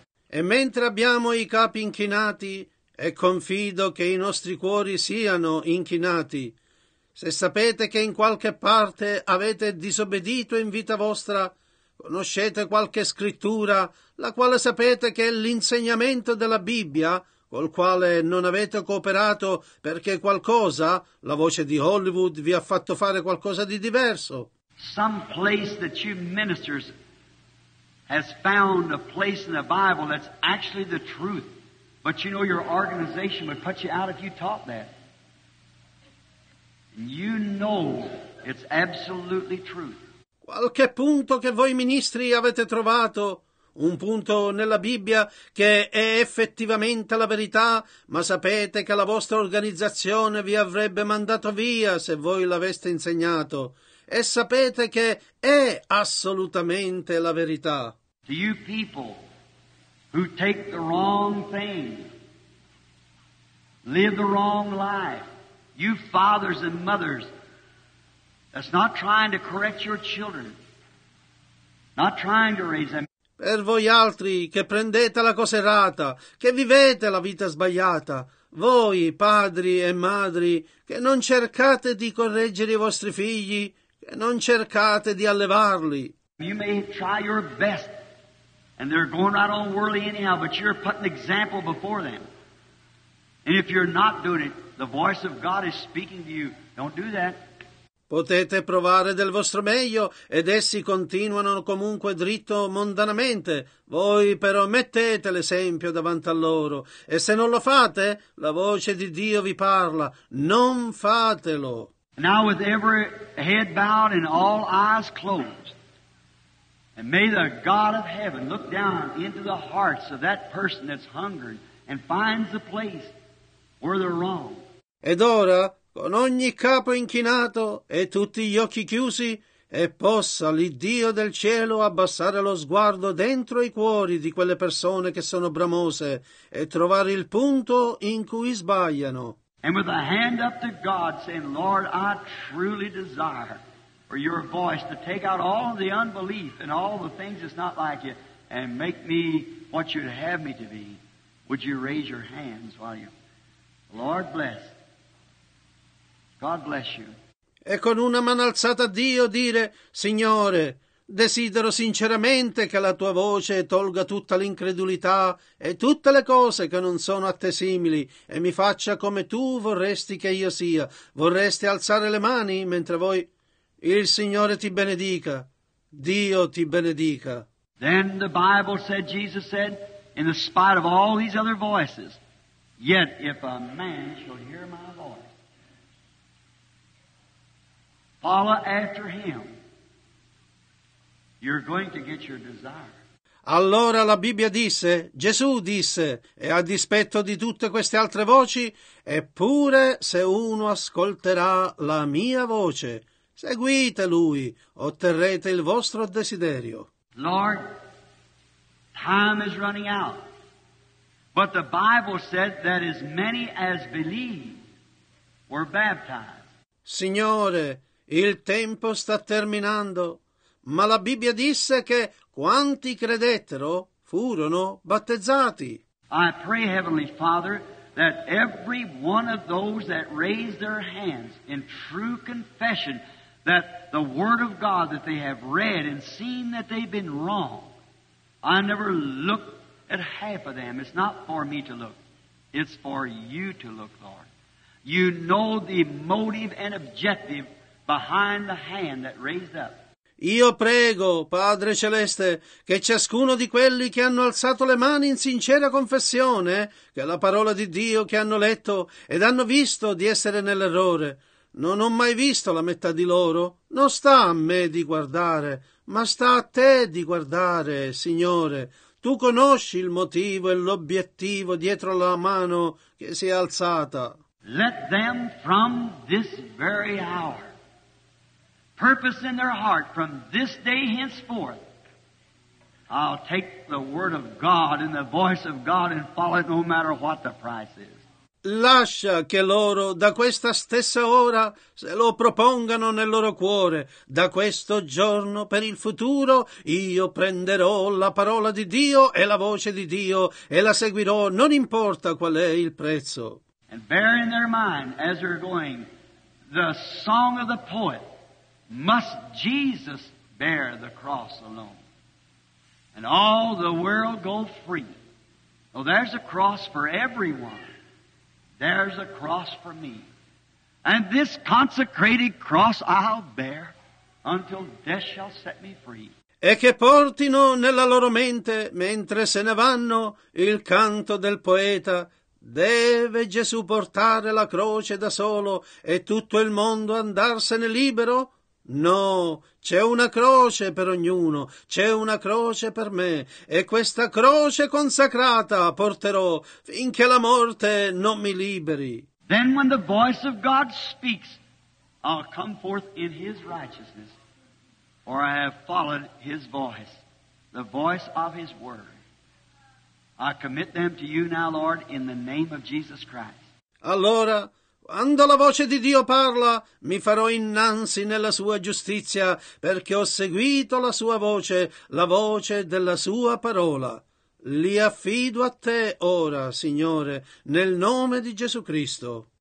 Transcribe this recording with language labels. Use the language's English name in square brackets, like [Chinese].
[Italian] E mentre abbiamo i capi inchinati, e confido che i nostri cuori siano inchinati, se sapete che in qualche parte avete disobbedito in vita vostra, conoscete qualche scrittura, la quale sapete che è l'insegnamento della Bibbia, col quale non avete cooperato perché qualcosa, la voce di Hollywood, vi ha fatto fare qualcosa di diverso. [English] Some place that you ministers has found a place in the Bible that's actually the truth, but you know your organization would put you out if you taught that. You know it's absolutely truth. [Italian] Qualche punto che voi ministri avete trovato, un punto nella Bibbia che è effettivamente la verità, ma sapete che la vostra organizzazione vi avrebbe mandato via se voi l'aveste insegnato, e sapete che è assolutamente la verità. [English] To you people who take the wrong thing, live the wrong life, you fathers and mothers, that's not trying to correct your children, not trying to raise them. [Italian] Per voi altri che prendete la cosa errata, che vivete la vita sbagliata, voi padri e madri che non cercate di correggere i vostri figli, che non cercate di allevarli. [English] You may try your best, and they're going right on worldly anyhow, but you're putting example before them. And if you're not doing it, the voice of God is speaking to you. Don't do that. [Italian] Potete provare del vostro meglio ed essi continuano comunque dritto mondanamente. Voi però mettete l'esempio davanti a loro. E se non lo fate, la voce di Dio vi parla. Non fatelo. [English] Now with every head bowed and all eyes closed, and may the God of heaven look down into the hearts of that person that's hungry and finds the place where they're wrong. [Italian] Ed ora, con ogni capo inchinato e tutti gli occhi chiusi, e possa l'Iddio del cielo abbassare lo sguardo dentro i cuori di quelle persone che sono bramose e trovare il punto in cui sbagliano. [English] And with a hand up to God saying, Lord, I truly desire for your voice to take out all the unbelief and all the things that's not like you and make me what you'd have me to be. Would you raise your hands while you... Lord bless. God bless you. [Italian] E con una mano alzata a Dio dire, Signore, desidero sinceramente che la tua voce tolga tutta l'incredulità e tutte le cose che non sono a te simili e mi faccia come tu vorresti che io sia. Vorreste alzare le mani mentre voi, il Signore ti benedica, Dio ti benedica. [English] Then the Bible said, Jesus said, in the spite of all these other voices, yet if a man shall hear my voice, follow after him, you're going to get your desire. [Italian] Allora la Bibbia disse, Gesù disse, e a dispetto di tutte queste altre voci, eppure se uno ascolterà la mia voce, Seguite lui, otterrete il vostro desiderio. [English] Lord, time is running out. But the Bible said that as many as believe were baptized. [Italian] Signore, il tempo sta terminando, ma la Bibbia disse che quanti credettero furono battezzati. [English] I pray, Heavenly Father, that every one of those that raised their hands in true confession, that the Word of God that they have read and seen that they've been wrong, I never looked at half of them. It's not for me to look. It's for you to look, Lord. You know the motive and objective behind the hand that raised up. [Italian] Io prego, Padre Celeste, che ciascuno di quelli che hanno alzato le mani in sincera confessione, che la parola di Dio che hanno letto ed hanno visto di essere nell'errore, non ho mai visto la metà di loro, non sta a me di guardare, ma sta a te di guardare, Signore. Tu conosci il motivo e l'obiettivo dietro la mano che si è alzata. [English] Let them from this very hour purpose in their heart from this day henceforth, I'll take the word of God and the voice of God and follow it no matter what the price is. [Italian] Lascia che loro da questa stessa ora se lo propongano nel loro cuore. Da questo giorno per il futuro io prenderò la parola di Dio e la voce di Dio e la seguirò, non importa qual è il prezzo. [English] And bear in their mind as they're going the song of the poet. Must Jesus bear the cross alone and all the world go free? Oh, there's a cross for everyone. There's a cross for me. And this consecrated cross I'll bear until death shall set me free. [Italian] E che portino nella loro mente, mentre se ne vanno, il canto del poeta. Deve Gesù portare la croce da solo e tutto il mondo andarsene libero? No, c'è una croce per ognuno, c'è una croce per me, e questa croce consacrata porterò finché la morte non mi liberi. [English] Then when the voice of God speaks, I'll come forth in His righteousness, for I have followed His voice, the voice of His word. I commit them to you now, Lord, in the name of Jesus Christ. [Italian] Allora, quando la voce di Dio parla, mi farò innanzi nella sua giustizia, perché ho seguito la sua voce, la voce della sua parola. Li affido a te ora, Signore, nel nome di Gesù Cristo.